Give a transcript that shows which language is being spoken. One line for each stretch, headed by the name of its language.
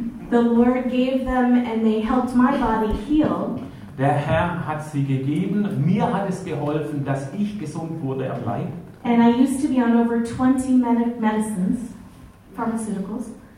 English: The Lord gave them and they helped my body heal.
German: Der Herr hat sie gegeben. Mir hat es geholfen, dass ich gesund wurde am Leib.
English: And I used to be on over 20 medicines, pharmaceuticals.